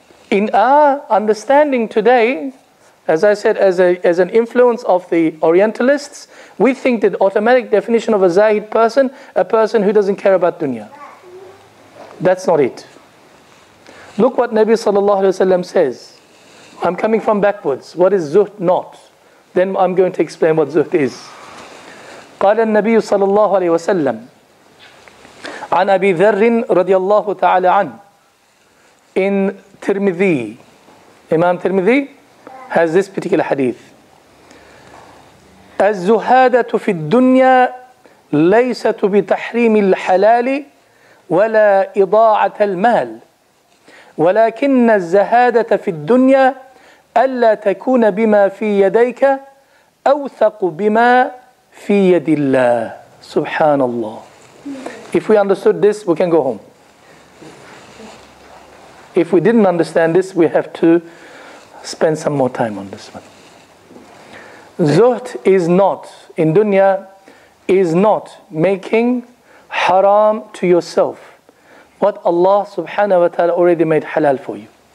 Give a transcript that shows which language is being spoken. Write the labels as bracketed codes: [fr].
[en] In our understanding today, as I said, as an influence of the Orientalists, we think that automatic definition of a Zahid person, a person who doesn't care about dunya. That's not it. Look what Nabi Sallallahu Alaihi Wasallam says. I'm coming from backwards. What is zuhd not? Then I'm going to explain what zuhd is. [ar] قال النبي صلى الله عليه وسلم عن أبي ذر رضي الله تعالى عنه [en] in Tirmidhi. Imam Tirmidhi has this particular hadith. [ar] الزهادة في الدنيا ليست بتحريم الحلال ولا إضاعة المال ولكن الزهادة في الدنيا ألا تكون بما في يديك أوثق بما في يد الله سبحان الله. [en] If we understood this, we can go home. If we didn't understand this, we have to spend some more time on this one. Zuhd is not, in dunya, is not making haram to yourself what Allah subhanahu wa ta'ala already made halal for you.